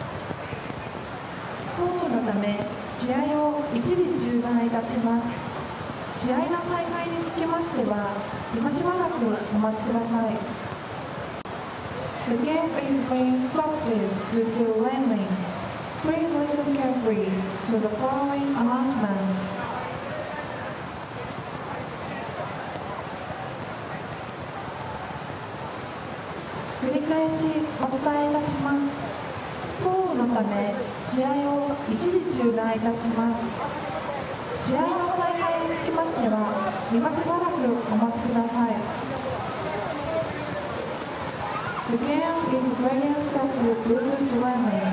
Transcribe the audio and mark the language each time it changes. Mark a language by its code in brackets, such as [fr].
[ja] ため試合を一時中断いたします。試合の再開につきましては今しばらくお待ちください。 [en] The game is being stopped due to rumbling. Please listen carefully to the following announcement. [ja] 繰り返しお伝えいたします。降雨のため試合を一時中断いたします。試合の再開につきましては今しばらくお待ちください。 [en] The game is being stopped due to rain.